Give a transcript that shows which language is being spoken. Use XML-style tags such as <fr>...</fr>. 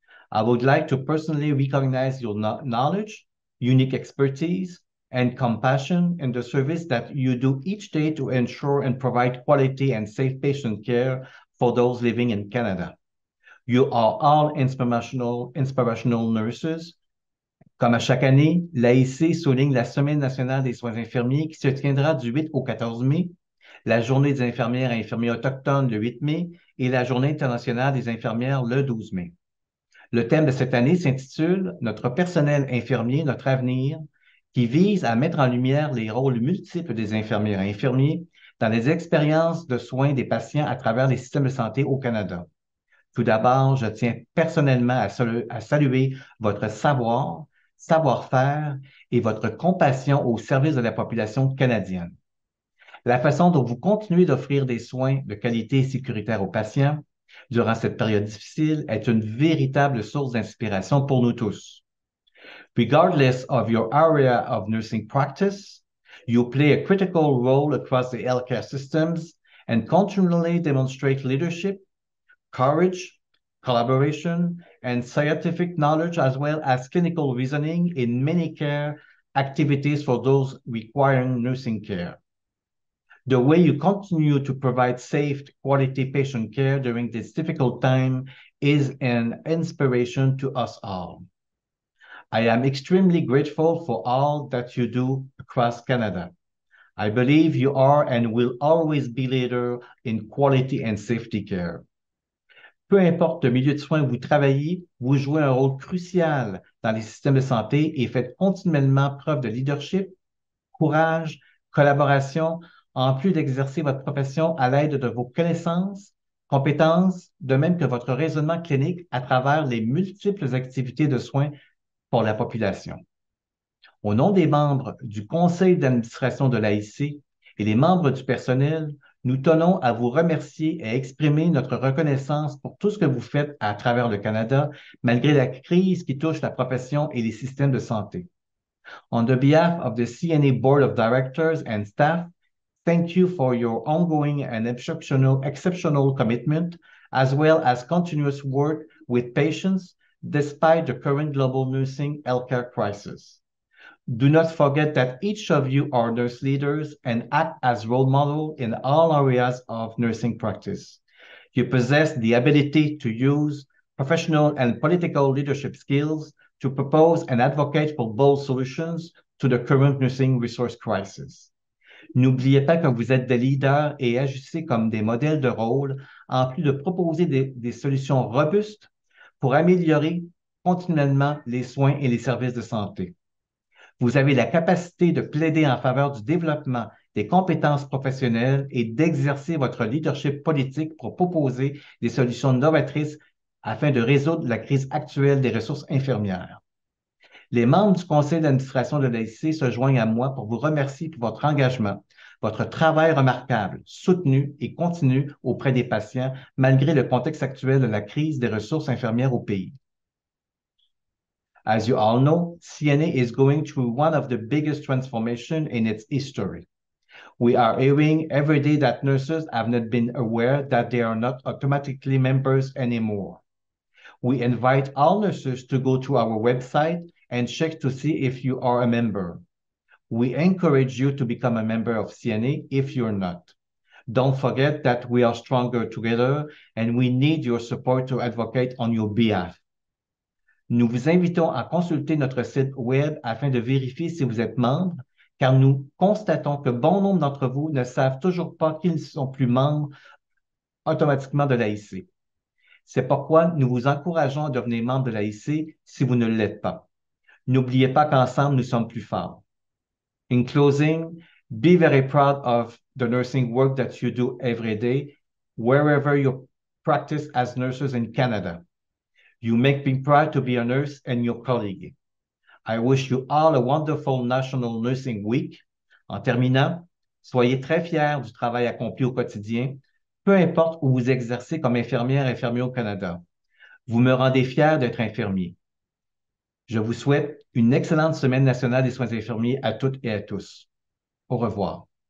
<en>I would like to personally recognize your knowledge, unique expertise, and compassion in the service that you do each day to ensure and provide quality and safe patient care for those living in Canada. You are all inspirational nurses.</en> <fr>Comme à chaque année, l'AIC souligne la Semaine nationale des soins infirmiers qui se tiendra du 8 au 14 mai, la Journée des infirmières et infirmiers autochtones le 8 mai et la Journée internationale des infirmières le 12 mai. Le thème de cette année s'intitule « Notre personnel infirmier, notre avenir », qui vise à mettre en lumière les rôles multiples des infirmières et infirmiers dans les expériences de soins des patients à travers les systèmes de santé au Canada. Tout d'abord, je tiens personnellement à saluer votre savoir, savoir-faire et votre compassion au service de la population canadienne. La façon dont vous continuez d'offrir des soins de qualité et sécuritaire aux patients durant cette période difficile est une véritable source d'inspiration pour nous tous.</fr> <en>Regardless of your area of nursing practice, you play a critical role across the healthcare systems and continually demonstrate leadership, courage, collaboration, and scientific knowledge as well as clinical reasoning in many care activities for those requiring nursing care. The way you continue to provide safe, quality patient care during this difficult time is an inspiration to us all. I am extremely grateful for all that you do across Canada. I believe you are and will always be leader in quality and safety care.</en> <fr>Peu importe le milieu de soins où vous travaillez, vous jouez un rôle crucial dans les systèmes de santé et faites continuellement preuve de leadership, courage, collaboration, en plus d'exercer votre profession à l'aide de vos connaissances, compétences, de même que votre raisonnement clinique à travers les multiples activités de soins pour la population. Au nom des membres du conseil d'administration de l'AIC et les membres du personnel, nous tenons à vous remercier et exprimer notre reconnaissance pour tout ce que vous faites à travers le Canada, malgré la crise qui touche la profession et les systèmes de santé.</fr> <en>On the behalf of the CNA Board of Directors and staff, thank you for your ongoing and exceptional commitment, as well as continuous work with patients despite the current global nursing healthcare crisis. Do not forget that each of you are nurse leaders and act as role model in all areas of nursing practice. You possess the ability to use professional and political leadership skills to propose and advocate for bold solutions to the current nursing resource crisis.</en> <fr>N'oubliez pas que vous êtes des leaders et agissez comme des modèles de rôle en plus de proposer des solutions robustes pour améliorer continuellement les soins et les services de santé. Vous avez la capacité de plaider en faveur du développement des compétences professionnelles et d'exercer votre leadership politique pour proposer des solutions novatrices afin de résoudre la crise actuelle des ressources infirmières. Les membres du conseil d'administration de l'AIC se joignent à moi pour vous remercier pour votre engagement, votre travail remarquable, soutenu et continu auprès des patients, malgré le contexte actuel de la crise des ressources infirmières au pays.</fr> <en>As you all know, CNA is going through one of the biggest transformations in its history. We are hearing every day that nurses have not been aware that they are not automatically members anymore. We invite all nurses to go to our website and check to see if you are a member. We encourage you to become a member of CNA if you're not. Don't forget that we are stronger together and we need your support to advocate on your behalf.</en> <fr>Nous vous invitons à consulter notre site web afin de vérifier si vous êtes membre, car nous constatons que bon nombre d'entre vous ne savent toujours pas qu'ils ne sont plus membres automatiquement de l'AIC. C'est pourquoi nous vous encourageons à devenir membre de l'AIC si vous ne l'êtes pas. N'oubliez pas qu'ensemble, nous sommes plus forts.</fr> <en>In closing, be very proud of the nursing work that you do every day, wherever you practice as nurses in Canada. You make me proud to be a nurse and your colleague. I wish you all a wonderful National Nursing Week.</en> <fr>En terminant, soyez très fiers du travail accompli au quotidien, peu importe où vous exercez comme infirmière et infirmier au Canada. Vous me rendez fier d'être infirmier. Je vous souhaite une excellente semaine nationale des soins infirmiers à toutes et à tous. Au revoir.</fr>